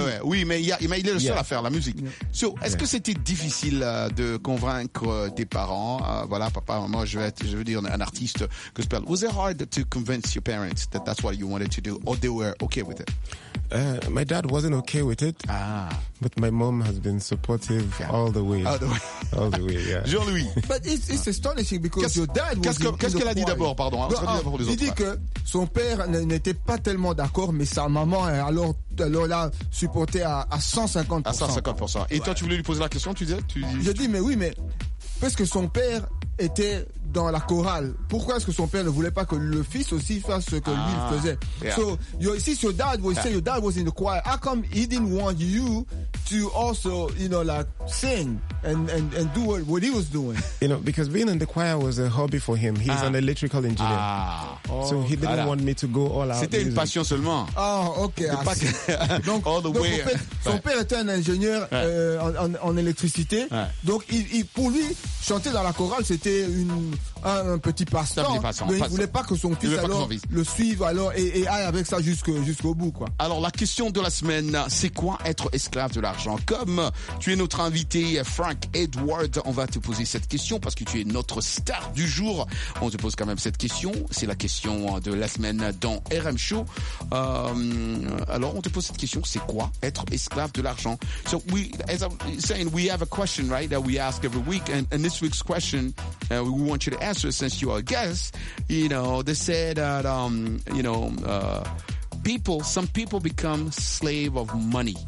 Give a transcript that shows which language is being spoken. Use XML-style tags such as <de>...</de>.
<fr>Oui, mais il est le seul à faire la musique. Yeah. So, est-ce que c'était difficile de convaincre tes parents? Voilà, papa, maman, je veux dire un artiste gospel.</fr> <en>Was it hard to convince your parents that that's what you wanted to do, or they were okay with it? My dad wasn't okay with it. Ah. But my mom has been supportive all the way. All the way. All the way, yeah. Jean-Louis. But it's astonishing because your dad was...</en> <fr>Qu'est-ce qu'elle a dit d'abord, pardon? Il dit que son père n'était pas tellement d'accord, mais sa maman, alors là, supportait à 150%. À 150%. Et toi, tu voulais lui poser la question, tu disais? Je dis, mais oui, mais... Parce que son père était dans la chorale. Pourquoi est-ce que son père ne voulait pas que le fils aussi fasse ce que lui faisait?</fr> <en>So, you see, your dad was saying your dad was in the choir. How come he didn't want you to also, you know, like sing and do what he was doing? You know, because being in the choir was a hobby for him. He's an electrical engineer. Ah. So he didn't want me to go all out.</en> <fr>C'était music. Une passion seulement.</fr> <en>Oh, okay. Ah, okay.</en> <fr>Donc,</fr> <en>all the</en> <fr>donc,</fr> <en>way.</en> <fr>En fait, son père était un ingénieur en électricité. Ouais. Donc, il, pour lui, chanter dans la chorale, c'était un petit passe-temps. Un petit passant, mais il voulait pas que son fils alors le suive alors et aille avec ça jusqu'au bout, quoi. Alors, la question de la semaine, c'est quoi être esclave de l'argent? Comme tu es notre invité, Frank Edward, on va te poser cette question parce que tu es notre star du jour. On te pose quand même cette question. C'est la question de la semaine dans RM Show. Alors, on te pose cette question. C'est quoi être esclave de l'argent?</fr> <en>So, we, as I'm saying, we have a question, right, that we ask every week. And this week's question, we want you to answer since you are a guest. You know, they say that, you know, people, some people become slave of money.</en>